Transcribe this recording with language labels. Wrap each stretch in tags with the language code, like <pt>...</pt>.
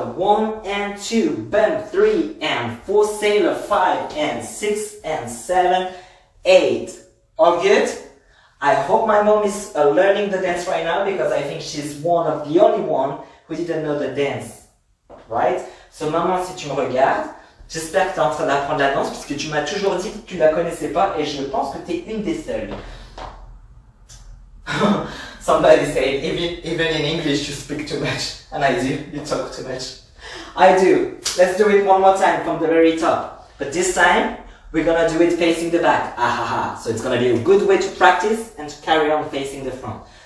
<en>1 and 2, bend. 3 and 4, sailor. 5 and 6 and 7, 8. All good? I hope my mom is learning the dance right now, because I think she's one of the only one who didn't know the dance. Right?</en> <fr>So, maman, si tu me regardes, j'espère que tu es en train d'apprendre la danse, parce que tu m'as toujours dit que tu ne la connaissais pas, et je pense que tu es une des seules.</fr> <en>Somebody said, even in English, you speak too much. And I do, you talk too much. I do. Let's do it one more time from the very top. But this time, we're gonna do it facing the back. Ahaha. So, it's gonna be a good way to practice and to carry on facing the front.</en>